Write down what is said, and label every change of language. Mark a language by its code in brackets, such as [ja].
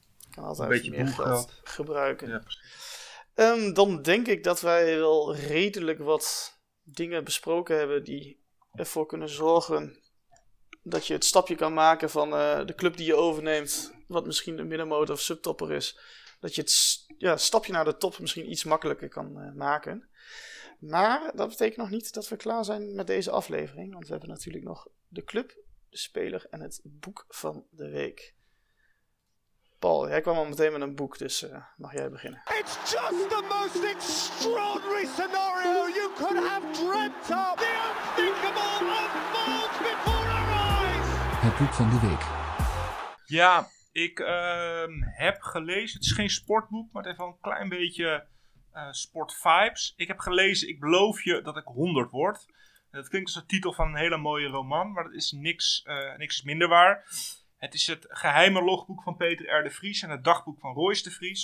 [nl] Kan altijd een beetje meer geld gebruiken. Ja, precies. Dan denk ik dat wij wel redelijk wat dingen besproken hebben die ervoor kunnen zorgen dat je het stapje kan maken van de club die je overneemt, wat misschien de middenmotor of subtopper is, dat je het stapje naar de top misschien iets makkelijker kan maken. Maar dat betekent nog niet dat we klaar zijn met deze aflevering, want we hebben natuurlijk nog de club, de speler en het boek van de week. Paul, jij kwam al meteen met een boek, dus mag jij beginnen. [en] It's just the most extraordinary scenario you could have dreamt of. The unthinkable unfolds before our eyes. [nl] Het boek van de week. Ja, ik heb gelezen. Het is geen sportboek, maar het heeft wel een klein beetje sportvibes. Ik heb gelezen, ik beloof je dat ik 100 word. Dat klinkt als de titel van een hele mooie roman, maar dat is niks minder waar. Het is het geheime logboek van Peter R. de Vries en het dagboek van Royce de Vries.